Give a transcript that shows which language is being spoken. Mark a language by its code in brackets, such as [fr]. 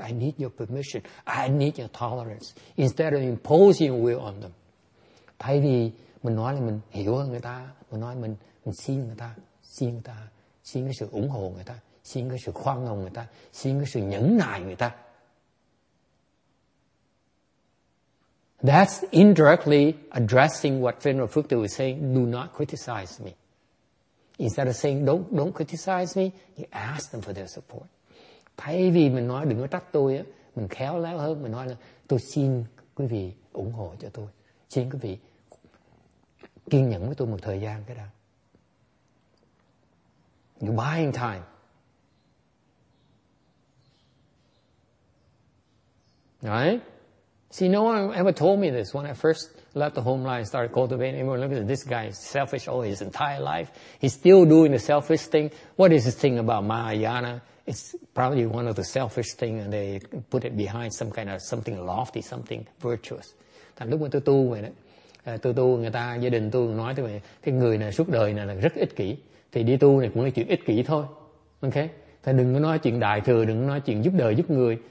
[en] I need your permission. I need your tolerance. Instead of imposing will on them. [vi] Thay vì mình nói là mình hiểu hơn người ta, mình nói mình xin người ta, xin cái sự ủng hộ người ta, xin cái sự khoan hồng người ta, xin cái sự nhẫn nại người ta. [en] That's indirectly addressing what Venerable Phước Từ was saying, do not criticize me. Instead of saying don't criticize me, you ask them for their support. [vi] Thay vì mình nói đừng có trách tôi, mình khéo léo hơn, mình nói là tôi xin quý vị ủng hộ cho tôi, xin quý vị kiên nhẫn với tôi một thời gian cái đã. [en] You're buying time. Right? See, no one ever told me this. When I first left the home line and started cultivating, everyone looked at this guy, he's selfish all his entire life. He's still doing the selfish thing. What is this thing about Mahayana? It's probably one of the selfish things, and they put it behind some kind of something lofty, something virtuous. [vi] Thành lúc mà tôi tu vậy đó, tôi tu người ta, gia đình tôi nói tôi vậy, cái người này suốt đời này là rất ích kỷ. Thì đi tu này cũng là chuyện ích kỷ thôi. Ok? Thì đừng có nói chuyện đại thừa, đừng có nói chuyện giúp đời giúp người.